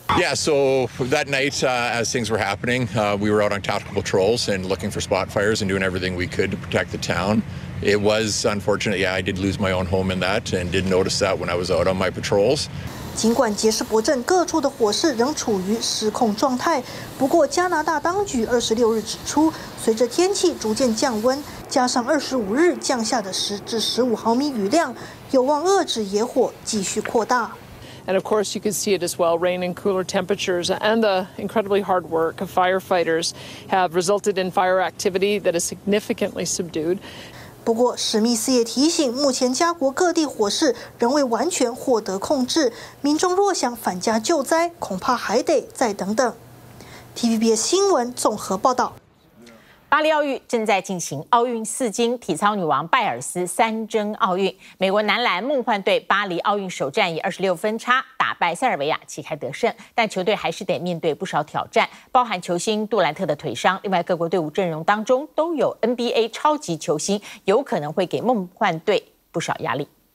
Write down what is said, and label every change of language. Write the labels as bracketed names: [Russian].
[English] Yeah, so that night, as things were happening, we were out on tactical patrols and looking for spot fires and doing everything we could to protect the town. It was unfortunate. Yeah, I did lose my own home in that and did notice that when I was out on my patrols. [Chinese] 尽管杰士伯镇各处的火势仍处于失控状态，不过加拿大当局26日指出，随着天气逐渐降温，加上25日降下的10至15毫米雨量，有望遏制野火继续扩大。 [English] And of course, you can see it as well. Rain and cooler temperatures, and the incredibly hard work of firefighters, have resulted in fire activity that is significantly subdued. [Chinese] 不过史密斯也提醒，目前加国各地火势仍未完全获得控制，民众若想返家救灾，恐怕还得再等等。 TVBS 新闻综合报道。巴黎奥运正在进行，奥运四金体操女王拜尔斯三争奥运，美国男篮梦幻队巴黎奥运首战以26分差打败塞尔维亚，旗开得胜，但球队还是得面对不少挑战，包含球星杜兰特的腿伤，另外各国队伍阵容当中都有 NBA 超级球星，有可能会给梦幻队不少压力。